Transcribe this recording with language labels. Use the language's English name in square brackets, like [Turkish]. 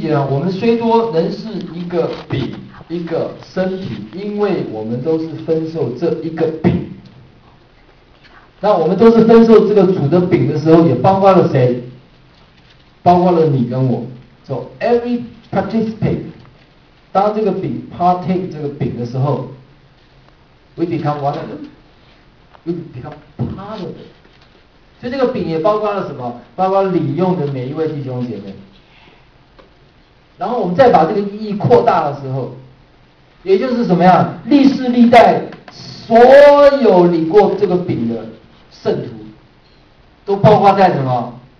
[Chinese] 我们虽多仍是一个饼，一个身体，因为我们都是分受这一个饼。那我们都是分受这个主的饼的时候，也包括了谁？包括了你跟我。 [English] So every participate， [Chinese] 当这个饼 [English] partake [Chinese] 这个饼的时候， [English] we become one of them， we become part of it。 [Chinese] 所以这个饼也包括了什么？包括领用的每一位弟兄姐妹。然后我们再把这个意义扩大的时候，也就是什么呀？历世历代所有领过这个饼的圣徒，都包括在什么？